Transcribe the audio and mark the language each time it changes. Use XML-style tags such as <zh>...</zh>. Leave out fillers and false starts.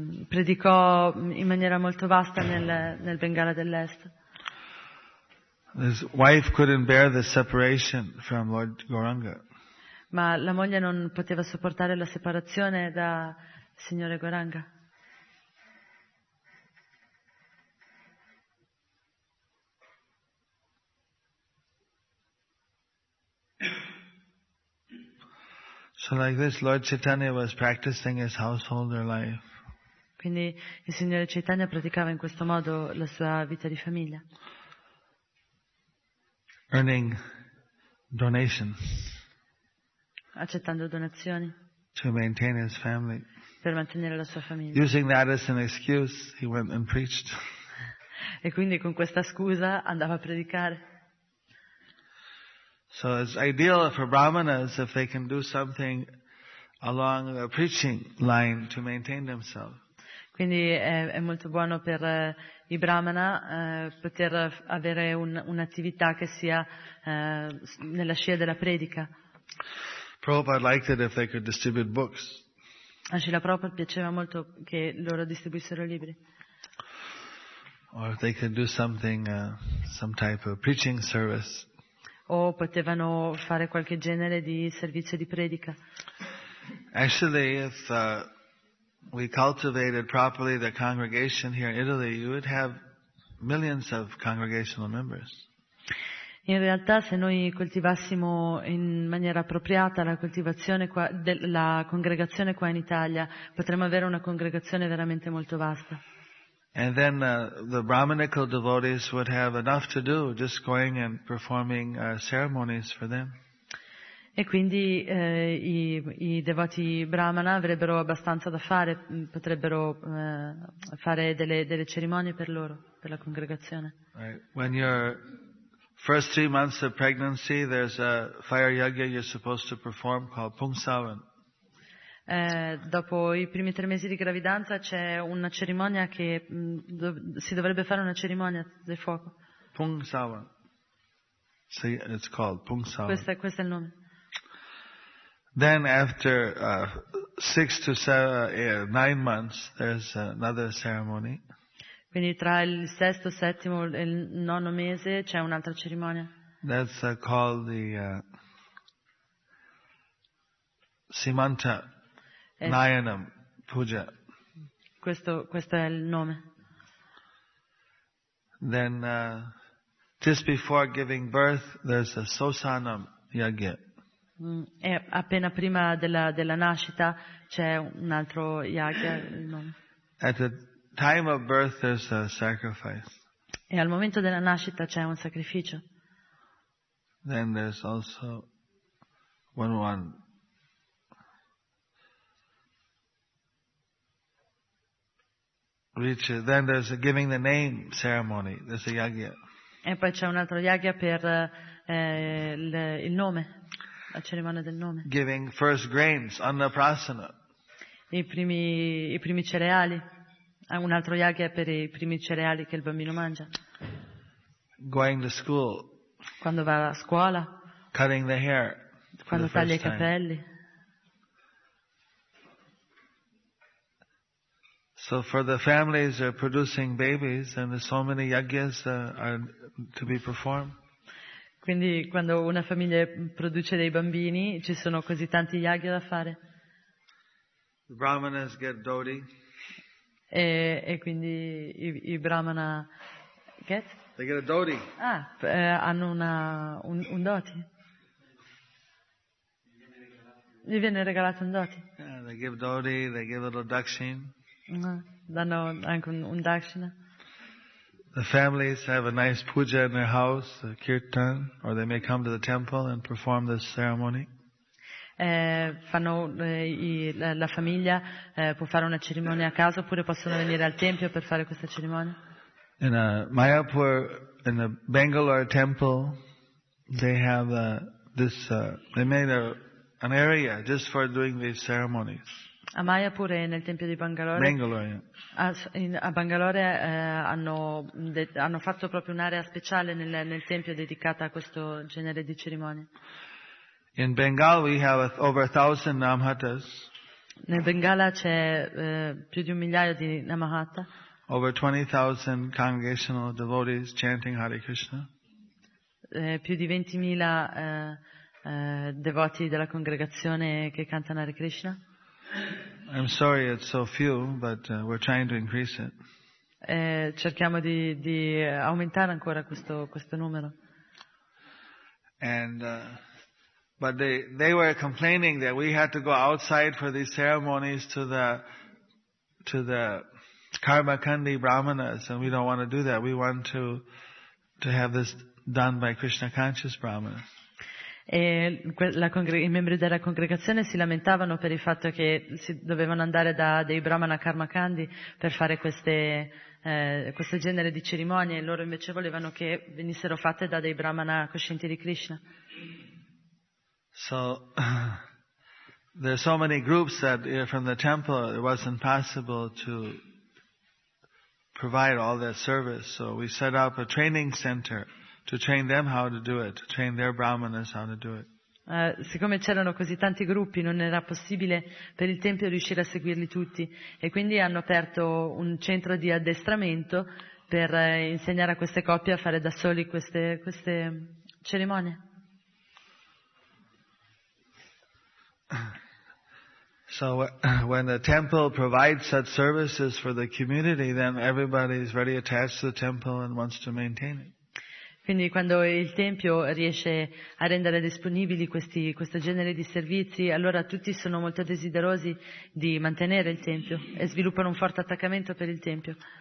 <it>Predicò in maniera molto vasta nel Bengala dell'Est.</it> <en>His wife couldn't bear the separation from Lord Gauranga.</en> <it>Ma la moglie non poteva sopportare la separazione da signore Gauranga.</it> <en>So like this, Lord Chaitanya was practicing his householder life.</en> <it>Quindi il signore Chaitanya praticava in questo modo la sua vita di famiglia.</it> <en>Earning donations.</en> <it>Accettando donazioni.</it> <en>To maintain his family.</en> <it>Per mantenere la sua famiglia.</it> <en>Using that as an excuse, he went and preached.</en> <it>E quindi con questa scusa andava a predicare.</it> <en>So it's ideal for brahmanas if they can do something along the preaching line to maintain themselves.</en> <it>Quindi è molto buono per i brahmana poter avere un'attività che sia nella scia della predica.</it> <en>Prabhupada liked it if they could distribute books.</en> <it>A Srila Prabhupada piaceva molto che loro distribuissero libri.</it> <en>Or if they could do something, some type of preaching service.</en> <it>O potevano fare qualche genere di servizio di predica.</it> <en>Actually, if we cultivated properly the congregation here in Italy, you would have millions of congregational members.</en> <it>In realtà, se noi coltivassimo in maniera appropriata la congregazione qua in Italia, potremmo avere una congregazione veramente molto vasta.</it> <en>And then the brahmanical devotees would have enough to do, just going and performing ceremonies for them.</en> <it>E quindi i devoti brahmana avrebbero abbastanza da fare, potrebbero fare delle cerimonie per loro, per la congregazione.</it> <en>When your first 3 months of pregnancy, there's a fire yagya you're supposed to perform called Pungsavan.</en> <it>Dopo i primi tre mesi di gravidanza c'è una cerimonia che si dovrebbe fare, una cerimonia del fuoco.</it> <en>Pung Sawan. Say, it's called Pung Sawan.</en> <it>Questo è il nome.</it> <en>Then after 6 to 9 months there's another ceremony.</en> <it>Quindi tra il sesto, settimo e il nono mese c'è un'altra cerimonia.</it> <en>That's called the Simanta Nayanam Puja.</en> <it>Questo è il nome.</it> <en>Then just before giving birth there's a Sosanam Yagya.</en> <it>E appena prima della nascita c'è un altro yagya, il nome.</it> <en>At the time of birth there's a sacrifice.</en> <it>E al momento della nascita c'è un sacrificio.</it> <en>Then there's also when one reaches, then there's a giving the name ceremony. There's a yagya.</en> <it>E poi c'è un altro yagya per il nome. La cerimonia del nome.</it> <en>Giving first grains, annaprasana.</en> <it>I primi cereali. Un altro yagya per i primi cereali che il bambino mangia.</it> <en>Going to school.</en> <it>Quando va a scuola.</it> <en>Cutting the hair.</en> <it>Quando taglia i capelli.</it> <en>So for the families that are producing babies, and there's so many yagyas are to be performed.</en> <it>Quindi quando una famiglia produce dei bambini ci sono così tanti yagya da fare.</it> <en>The brahmanas get dhoti.</en> <it>E quindi i brahmana</it> <en>get? They get a dhoti.</en> <it>Ah, hanno un dhoti. Gli viene regalato un dhoti.</it> <en>Yeah, they give dhoti, they give a little dakshin.</en> <it>Danno anche un dakshina.</it> <en>The families have a nice puja in their house, a kirtan, or they may come to the temple and perform this ceremony.</en> <it>Fanno la famiglia può fare una cerimonia a casa oppure possono venire al tempio per fare questa cerimonia.</it> <en>In a Mayapur, in a Bangalore temple, they have this. They made an area just for doing these ceremonies.</en> <it>A Mayapur e nel tempio di Bangalore. Bangalore. A Bangalore hanno fatto proprio un'area speciale nel tempio dedicata a questo genere di cerimonie.</it> <en>In Bengal we have over 1,000 namhatas.</en> <it>Nel Bengala c'è più di un migliaio di namahata.</it> <en>Over 20,000 congregational devotees chanting Hare Krishna.</en> <it>Più di 20,000 devoti della congregazione che cantano Hare Krishna.</it> <en>I'm sorry it's so few, but we're trying to increase it.</en> <it>Cerchiamo di aumentare ancora questo numero.</it> <en>And but they were complaining that we had to go outside for these ceremonies to the Karmakandi Brahmanas, and we don't want to do that. We want to have this done by Krishna conscious Brahmanas.</en> <it>E i membri della congregazione si lamentavano per il fatto che si dovevano andare da dei brahmana karmakandi per fare questo genere di cerimonie, e loro invece volevano che venissero fatte da dei brahmana coscienti di Krishna.</it> <en>So there are so many groups that from the temple it wasn't possible to provide all that service, so we set up a training center to train them how to do it, to train their brahmanas how to do it.</en> <it>Siccome c'erano così tanti gruppi, non era possibile per il tempio riuscire a seguirli tutti, e quindi hanno aperto un centro di addestramento per insegnare a queste coppie a fare da soli queste cerimonie.</it> <en>So when the temple provides such services for the community, then everybody is very attached to the temple and wants to maintain it.</en> <it>Quindi quando il tempio riesce a rendere disponibili questo genere di servizi, allora tutti sono molto desiderosi di mantenere il tempio e sviluppano un forte attaccamento per il tempio.</it>